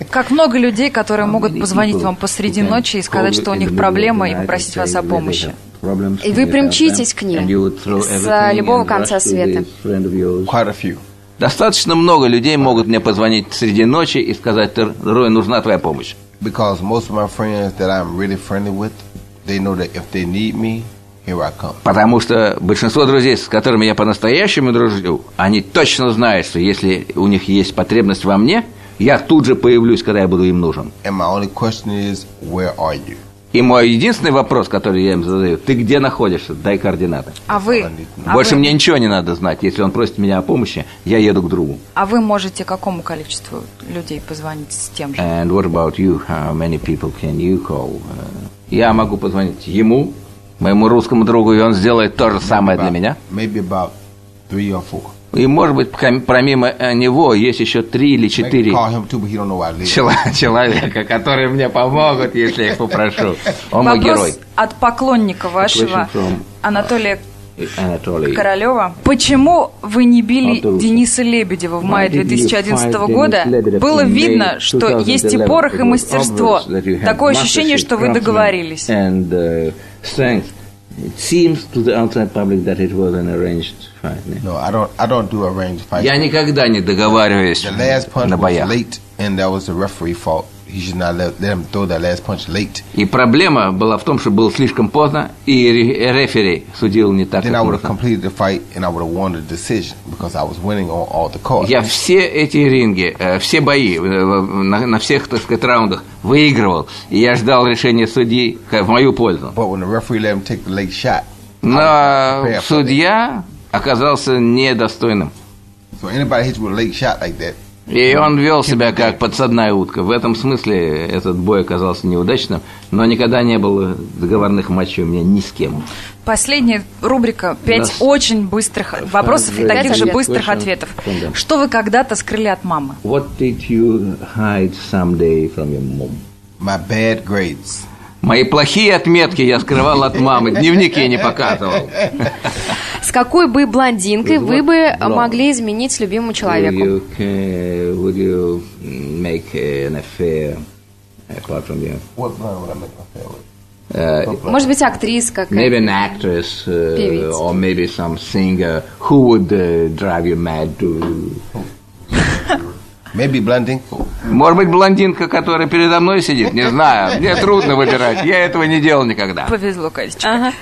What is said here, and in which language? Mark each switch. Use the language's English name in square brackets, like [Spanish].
[Russian] Как много людей, которые могут позвонить вам посреди ночи и сказать, что у них проблема, и попросить вас о помощи. И вы примчитесь к ним с любого конца света. [English] Quite a few. [Russian] Достаточно много людей могут мне позвонить среди ночи и сказать, Рой, нужна твоя помощь. [English] Because most of my friends that I'm really friendly with, they know that if they need me, here I come. [Russian] Потому что большинство друзей, с которыми я по-настоящему дружу, они точно знают, что если у них есть потребность во мне, я тут же появлюсь, когда я буду им нужен. [English] And my only question is, where are you? [Russian] И мой единственный вопрос, который я им задаю, ты где находишься? Дай координаты. А вы? Больше а мне ничего не надо знать. Если он просит меня о помощи, я еду к другу. А вы можете какому количеству людей позвонить с тем же? [English] And what about you? How many people can you call? [Russian] Я могу позвонить ему, моему русскому другу, и он сделает то же самое для меня. [English] Maybe about three or four. [Russian] И, может быть, помимо него есть еще три или четыре человека, которые мне помогут, если я их попрошу. Он мой герой. Вопрос от поклонника вашего, Анатолия Королева. Почему вы не били Дениса Лебедева в мае 2011 года? Было видно, что есть и порох, и мастерство. Такое ощущение, что вы договорились. [English] And strength. It seems to the outside public that it was an arranged fight. No, I don't do arranged fights. [Russian] Я никогда не договариваюсь. [English] The last punch was late, and that was the referee fault. He should not let him throw that last punch late. [Russian] И проблема была в том, что было слишком поздно, и рефери судил не так. [English] Then I would have completed the fight, and I would have won the decision because I was winning on all the cards. [Russian] Я все эти ринги, все бои на всех, так сказать, раундах выигрывал, и я ждал решения судьи в мою пользу. [English] But when the referee let him take the late shot, [Russian] но судья оказался недостойным. [English] So anybody hits with a late shot like that. [Russian] И он вел себя как подсадная утка. В этом смысле этот бой оказался неудачным, но никогда не было договорных матчей у меня ни с кем. Последняя рубрика. Пять очень быстрых вопросов и таких же быстрых ответов. Что вы когда-то скрыли от мамы? [English] What did you hide someday from your mom? My bad grades. [Russian] Мои плохие отметки я скрывал от мамы. Дневники не показывал. С какой бы блондинкой вы бы могли изменить любимому человеку? [English] Would you make an affair apart from you? What blonde would I make an affair with? [Russian] Может быть, актриса какая-то. [English] Maybe an actress. Or maybe some singer. Who would drive you mad to... Maybe blondine. [Russian] Может быть, блондинка, которая передо мной сидит? Не знаю. Мне трудно выбирать. Я этого не делал никогда. Повезло, Катечка. Ага.